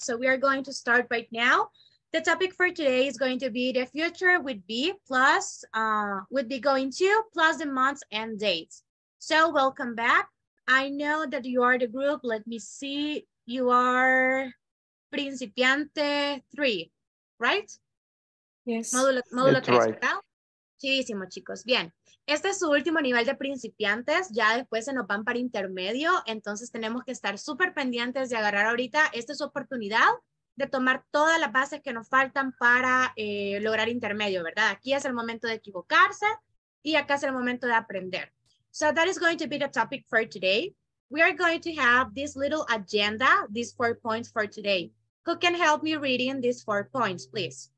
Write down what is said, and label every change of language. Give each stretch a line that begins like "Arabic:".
English: So we are going to start right now. The topic for today is going to be the future would be plus, would be going to plus the months and dates. So welcome back. I know that you are the group, let me see, you are Principiante 3, right? Yes.
Spanish: Módulo 3, right. ¿Verdad? Muchísimo, chicos. Bien, este es su último nivel de principiantes, ya después se nos van para intermedio, entonces tenemos que estar súper pendientes de agarrar ahorita esta es su oportunidad de tomar todas las bases que nos faltan para lograr intermedio, ¿verdad? Aquí es el momento de equivocarse y acá es el momento de aprender.
English: So that is going to be the topic for today. We are going to have this little agenda, these 4 points for today. Who can help me reading these 4 points, please?